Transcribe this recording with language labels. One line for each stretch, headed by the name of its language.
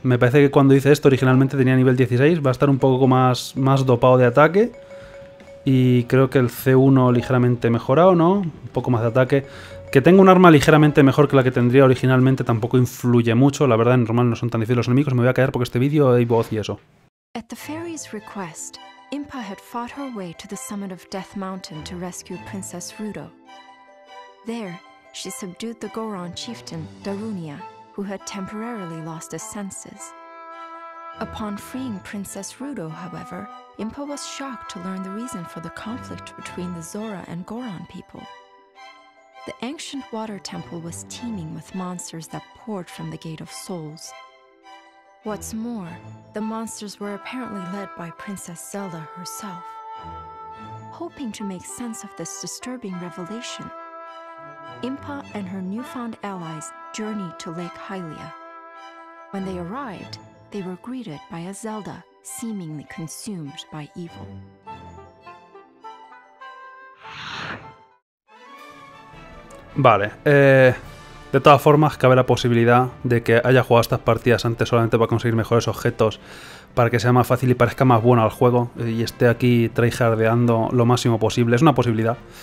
Spanish: Me parece que cuando hice esto originalmente tenía nivel 16. Va a estar un poco más dopado de ataque. Y creo que el C1 ligeramente mejorado, ¿no? Un poco más de ataque. Que tenga un arma ligeramente mejor que la que tendría originalmente tampoco influye mucho. La verdad, en normal no son tan difíciles los enemigos. Me voy a caer porque este vídeo hay voz y eso.
English: At the fairy's request, Impa had fought her way to the summit of Death Mountain to rescue Princess Rudo. There, she subdued the Goron chieftain, Darunia, who had temporarily lost his senses. Upon freeing Princess Rudo, however, Impa was shocked to learn the reason for the conflict between the Zora and Goron people. The ancient water temple was teeming with monsters that poured from the Gate of Souls. What's more, the monsters were apparently led by Princess Zelda herself. Hoping to make sense of this disturbing revelation, Impa and her newfound allies journeyed to Lake Hylia. When they arrived, they were greeted by a Zelda seemingly consumed by evil.
Spanish: Vale, de todas formas, cabe la posibilidad de que haya jugado estas partidas antes solamente para conseguir mejores objetos, para que sea más fácil y parezca más bueno al juego, y esté aquí tryhardeando lo máximo posible. Es una posibilidad.